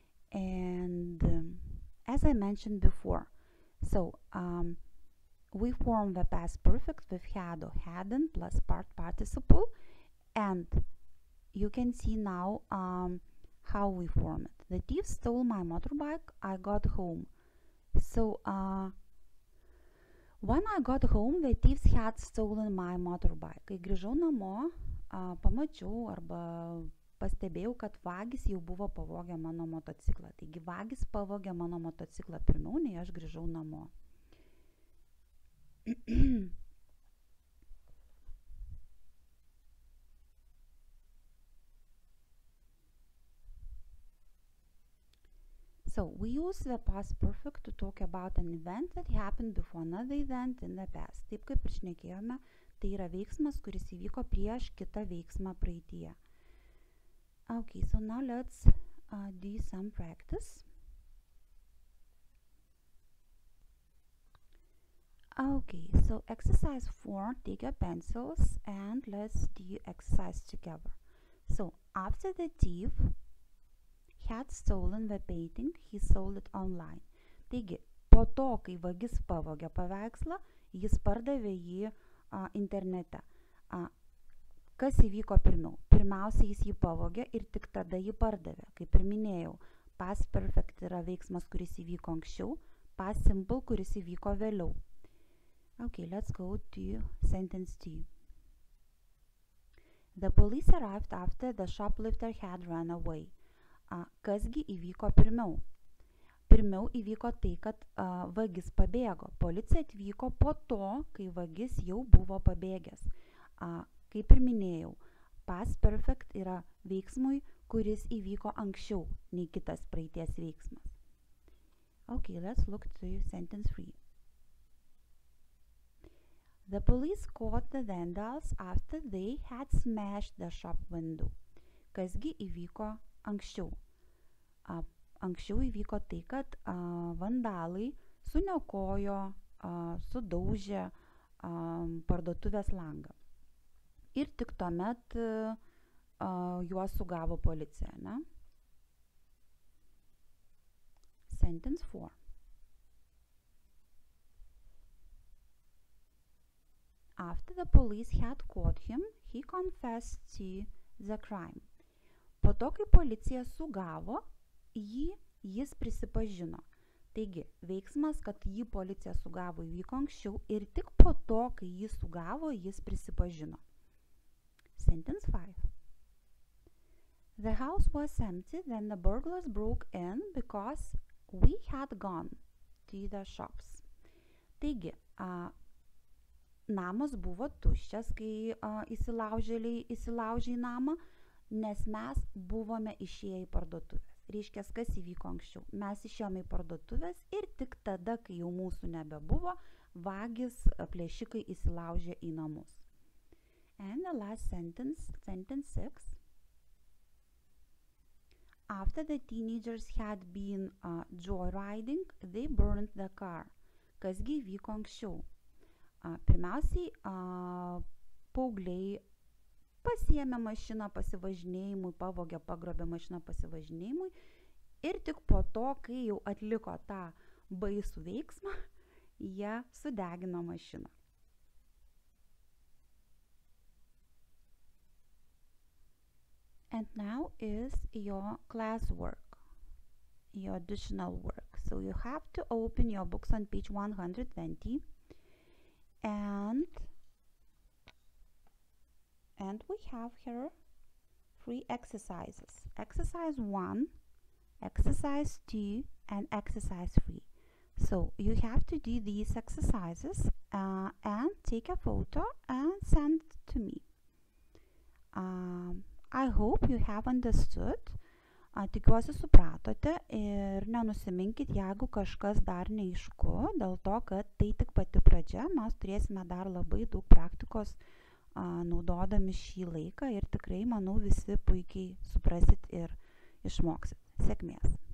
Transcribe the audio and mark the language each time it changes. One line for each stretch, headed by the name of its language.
English: And as I mentioned before, so we form the past perfect with had or hadn't plus past participle, And you can see now how we form it. The thief stole my motorbike. I got home. So when I got home, the thieves had stolen my motorbike.
Lithuanian: Kai grįžau namo, pamačiau arba pastebėjau, kad vagys jau buvo pavogę mano motociklą. Taigi vagys pavogė mano motociklą pirmiau, nei aš grįžau namo.
English: So, we use the past perfect to talk about an event that happened before another event in the past.
Lithuanian: Taip kaip prišnekėjome, tai yra veiksmas, kuris įvyko prieš kitą veiksmą praeityje.
English: Okay, so now let's do some practice. Okay, so exercise 4, take your pencils and let's do exercise together. So, after the thief had stolen the painting, he sold it online.
Lithuanian: Taigi, po to, kai vagis pavogė paveikslą, jis pardavė jį internete. Kas įvyko pirmiau? Pirmiausia, jis jį pavogė ir tik tada jį pardavė. Kaip ir minėjau, past perfect yra veiksmas, kuris įvyko anksčiau, past simple, kuris įvyko vėliau.
English: Okay, let's go to sentence 2. The police arrived after the shoplifter had run away.
Lithuanian: Kasgi įvyko pirmiau? Pirmiau įvyko tai, kad vagis pabėgo. Policija atvyko po to, kai vagis jau buvo pabėgęs. Kaip ir minėjau, past perfect yra veiksmui, kuris įvyko anksčiau nei kitas praeities veiksmas.
English: Okay, let's look to sentence 3. The police caught the vandals after they had smashed the shop window.
Lithuanian: Kasgi įvyko anksčiau? Anksčiau įvyko tai, kad vandalai suniokojo, sudaužė parduotuvės langą. Ir tik tuomet juos sugavo policija, ne?
English: Sentence 4. After the police had caught him, he confessed to the crime.
Lithuanian: Po to, kai policija sugavo jį, jis prisipažino. Taigi, veiksmas, kad jį policija sugavo, įvyko anksčiau ir tik po to, kai jį sugavo, jis prisipažino.
English: Sentence 5. The house was empty, then the burglars broke in because we had gone to the shops.
Lithuanian: Taigi, namas buvo tuščias, kai įsilaužė į namą, nes mes buvome išėję į parduotuvę. Reiškia, kas įvyko anksčiau. Mes išėjome į parduotuvės ir tik tada, kai jau mūsų nebebuvo, vagys, plėšikai įsilaužė į namus.
English: And the last sentence, sentence 6. After the teenagers had been joyriding, they burned the car.
Lithuanian: Kasgi įvyko anksčiau? Pirmiausiai, paaugliai pasiėmė mašiną pasivažinėjimui, pavogė, pagrobė mašiną pasivažinėjimui. Ir tik po to, kai jau atliko tą baisų veiksmą, jie sudegino mašiną.
English: And now is your classwork, your additional work. So you have to open your books on page 120 and we have here three exercises. Exercise 1, exercise 2, and exercise 3. So you have to do these exercises and take a photo and send it to me. I hope you have understood.
Lithuanian: Tikiuosi supratote ir nenusiminkit, jeigu kažkas dar neaišku, dėl to, kad tai tik pati pradžia, mes turėsime dar labai daug praktikos naudodami šį laiką ir tikrai, manau, visi puikiai suprasit ir išmoksit. Sėkmės!